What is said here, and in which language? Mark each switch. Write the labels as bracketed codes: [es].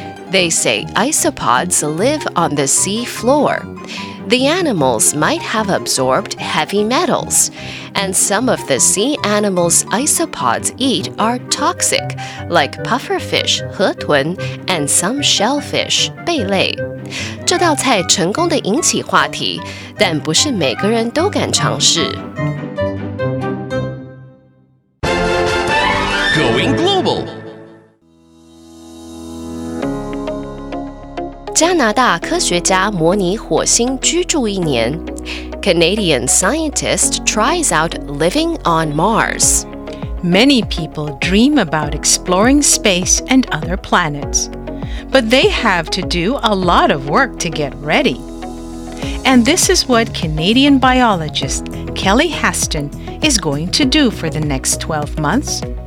[en] They say isopods live on the sea floor. The animals might have absorbed heavy metals, and some of the sea animals' isopods eat are toxic, like pufferfish, 河豚, and some shellfish, 贝类。 [zh] 这道菜成功地引起话题，但不是每个人都敢尝试。 [en] Going global. [zh] 加拿大科学家模拟火星居住一年。 [en] Canadian scientist tries out living on Mars. Many people dream about exploring space and other planets. But they have to do a lot of work to get ready. And this is what Canadian biologist Kelly Haston is going to do for the next 12 months.